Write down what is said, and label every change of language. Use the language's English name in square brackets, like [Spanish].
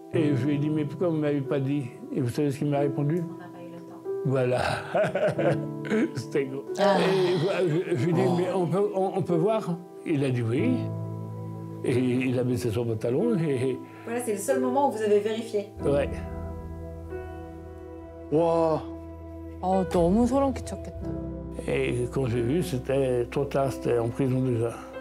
[French] Et je lui ai dit mais pourquoi vous m'avez pas dit? Et vous savez ce qu'il m'a répondu? Voilà. C'était gros. Je lui ai dit mais on peut voir? Il a dit oui. Et il a baissé son pantalon et voilà, c'est le seul moment où vous avez vérifié. Ouais. [Korean] Wow. Oh, 너무 소름끼쳤겠다. [French] Et quand j'ai vu, c'était trop tard, c'était en prison déjà.